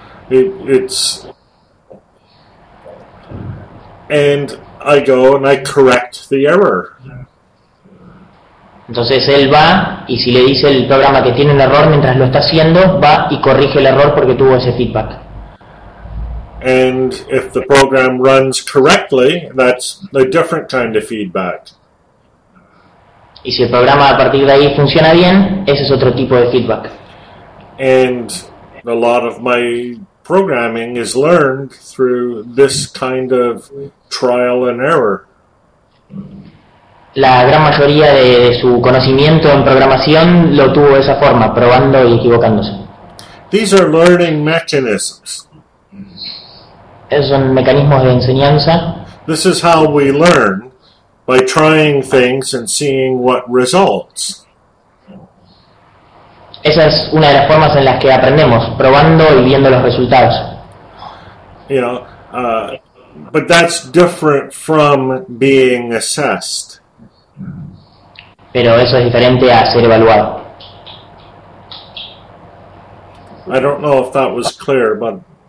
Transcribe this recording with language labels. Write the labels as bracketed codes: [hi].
[en] It's... And I go and I correct the error. [es] Entonces él va, y si le dice el programa que tiene un error mientras lo está haciendo, va y corrige el error porque tuvo ese feedback. [en] And if the program runs correctly, that's a different kind of feedback. [es] Y si el programa a partir de ahí funciona bien, ese es otro tipo de feedback. [en] And a lot of my programming is learned through this kind of trial and error. [es] La gran mayoría de su conocimiento en programación lo tuvo de esa forma, probando y equivocándose. [en] These are learning mechanisms. [es] Esos son mecanismos de enseñanza. [en] This is how we learn, by trying things and seeing what results. [es] Esa es una de las formas en las que aprendemos, probando y viendo los resultados. [en] You know, but that's different from being assessed. [es] Pero eso es diferente a ser evaluado. [en] I don't know if that was clear, but...